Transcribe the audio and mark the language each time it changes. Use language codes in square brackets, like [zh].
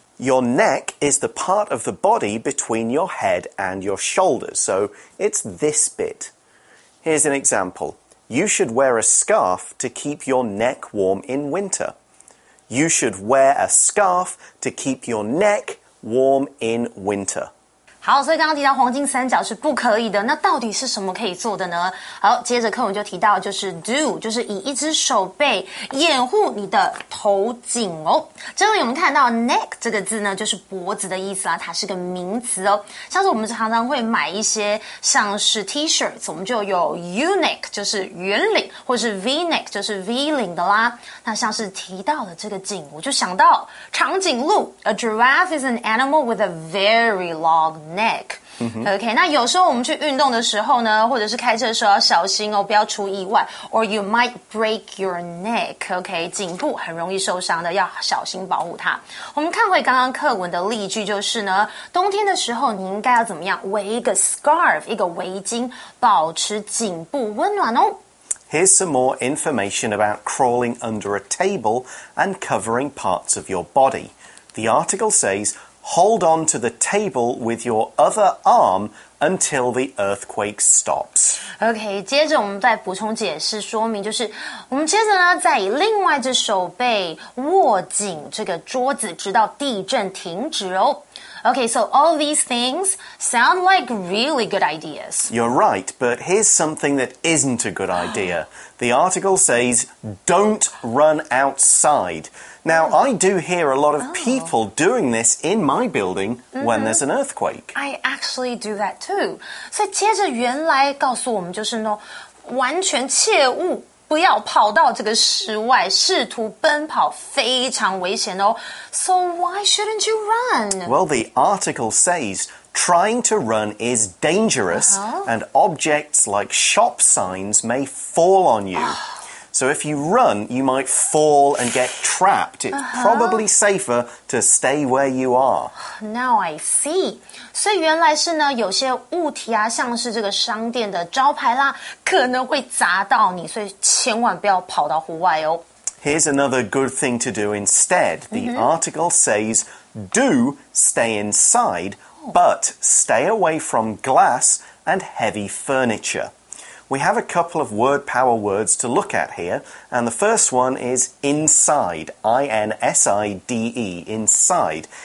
[en] Your neck is the part of the body between your head and your shoulders, so it's this bit. Here's an example. You should wear a scarf to keep your neck warm in winter. You should wear a scarf to keep your neck warm in winter. [zh] 好，所以刚刚提到黄金三角是不可以的，那到底是什么可以做的呢？好，接着课文就提到就是 do, 就是以一只手背掩护你的头颈哦。这里我们看到 neck 这个字呢，就是脖子的意思啊，它是个名词哦。像是我们常常会买一些像是 T-shirts, 我们就有 U-neck, 就是圆领，或是 V-neck, 就是 V 领的啦。那像是提到了这个颈，我就想到长颈鹿 ， [en] A giraffe is an animal with a very long neck. [zh] OK, 那有时候我们去运动的时候呢，或者是开车的时候要小心哦，不要出意外。 [en] Or you might break your neck. [zh] OK, 颈部很容易受伤的，要小心保护它。我们看回刚刚课文的例句，就是呢，冬天的时候你应该要怎么样？围一个 scarf, 一个围巾，保持颈部温暖哦。 [en] Here's some more information about crawling under a table and covering parts of your body. The article says, hold on to the table with your other arm until the earthquake stops. [zh] OK, 接着我们再补充解释说明，就是我们接着呢再以另外一只手背握紧这个桌子直到地震停止哦。 [en] OK, so all these things sound like really good ideas. You're right, but here's something that isn't a good idea. The article says, don't run outside. Now, I do hear a lot of people doing this in my building when there's an earthquake. I actually do that too. [zh] 所以接着原来告诉我们就是呢，完全切勿不要跑到这个室外，试图奔跑非常危险哦。 [en] So why shouldn't you run? Well, the article says trying to run is dangerous, and objects like shop signs may fall on you. So if you run, you might fall and get trapped. It's probably safer to stay where you are. Now I see. [zh] 所以原来是呢，有些物体啊，像是这个商店的招牌啦，可能会砸到你，所以千万不要跑到户外哦。 [en] Here's another good thing to do instead. The article says, do stay inside, but stay away from glass and heavy furniture. We have a couple of word power words to look at here, and the first one is inside, I-N-S-I-D-E, inside.